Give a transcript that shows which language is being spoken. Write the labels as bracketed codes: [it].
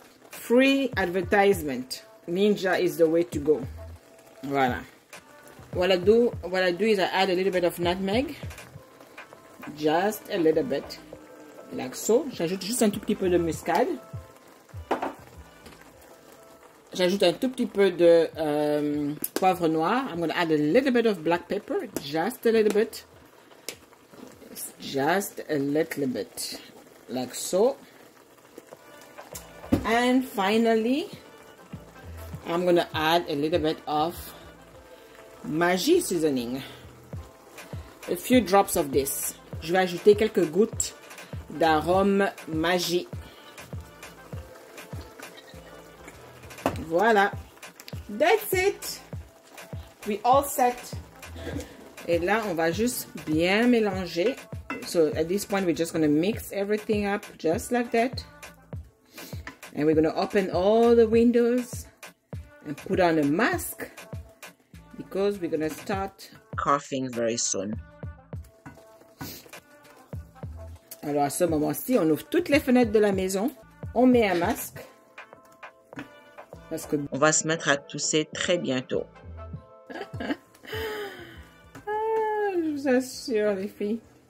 [en] Free advertisement. Ninja is the way to go. Voilà. What I do is I add a little bit of nutmeg. Just a little bit. l'axo. [fr] J'ajoute juste un tout petit peu de muscade. J'ajoute un tout petit peu de poivre noir. [en] I'm going to add a little bit of black pepper. Just a little bit. Just a little bit. Like so. And finally, I'm going to add a little bit of Maggi seasoning. A few drops of this. [fr] Je vais ajouter quelques gouttes d'arôme Maggi. [en] Voilà. That's it. We all set. [fr] Et là, on va juste bien mélanger. [en] So at this point, we're just going to mix everything up just like that. And we're going to open all the windows and put on a mask because we're going to start coughing very soon. [fr] Alors à ce moment-ci, on ouvre toutes les fenêtres de la maison. On met un masque. Parce que on va se mettre à tousser très bientôt. Ah, je vous assure, les filles.